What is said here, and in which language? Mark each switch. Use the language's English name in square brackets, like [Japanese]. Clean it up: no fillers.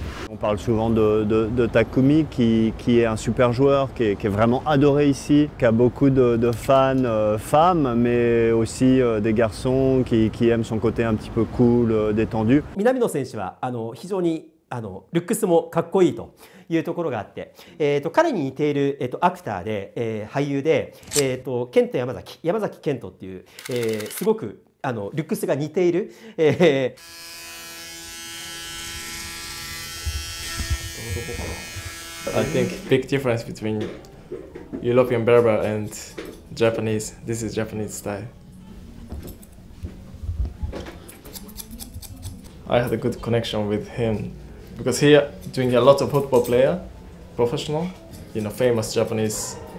[French] On parle souvent de Takumi qui est un super joueur, qui est vraiment adoré ici, qui a beaucoup de fans femmes, mais aussi des garçons qui aiment son côté un petit peu cool, détendu. [Japanese] Minamino 選手は非常にルックスもかっこいいというところがあって、彼に似ている、アクターで、俳優で、ケント山崎ケントっていう、すごくルックスが似ている、 [English] I think big difference between European Berber and Japanese. This is Japanese style. I had a good connection with him because he doing a lot of football player, professional, you know, famous Japanese.